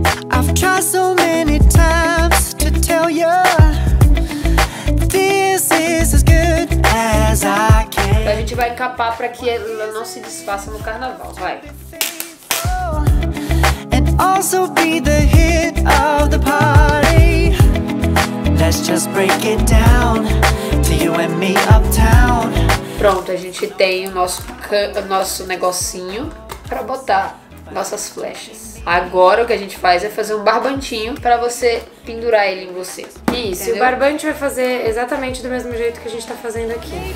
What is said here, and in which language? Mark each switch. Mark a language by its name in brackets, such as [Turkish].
[English] I've tried so many times to tell you this is as good as I can. [Portuguese] Então a gente vai capar pra que ela não se desfaça no carnaval, vai. [English] Also be the hit of the party. Let's just break it down to you and me uptown. [Portuguese] Pronto, a gente tem o nosso negocinho pra botar nossas flechas. Agora o que a gente faz é fazer um barbantinho pra você pendurar ele em você. Isso, entendeu? O barbante vai fazer exatamente do mesmo jeito que a gente tá fazendo aqui.